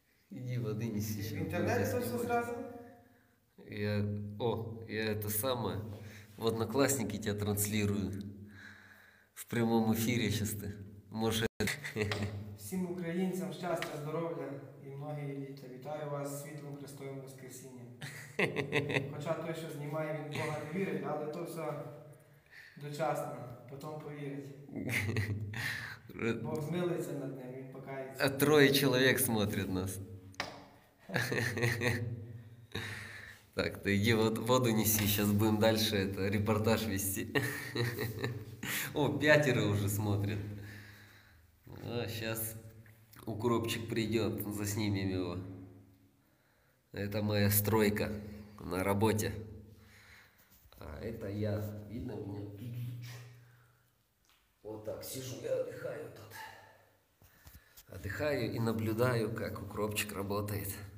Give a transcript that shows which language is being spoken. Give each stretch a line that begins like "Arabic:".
Russian: Иди воды неси. В интернете точно сразу? Я это самое. В Одноклассники тебя транслирую. В прямом эфире сейчас ты.
Ukrainian: Всім українцям щастя, здоров'я і многі літа. Вітаю вас світлом Христовим Воскресінням. Хоча той, що знімає, він Бога не вірить, але то все дочасно. Потім повірить. Бог змилиться над ним, він покається. А троє чоловік смотрять нас. Так, ти йди воду неси, зараз будемо далі репортаж вести. О, п'ятеро вже смотрять.
Russian: А, сейчас укропчик придет, заснимем его. Это моя стройка на работе. А это я, видно меня? Вот так сижу, я отдыхаю тут. Отдыхаю и наблюдаю, как укропчик работает.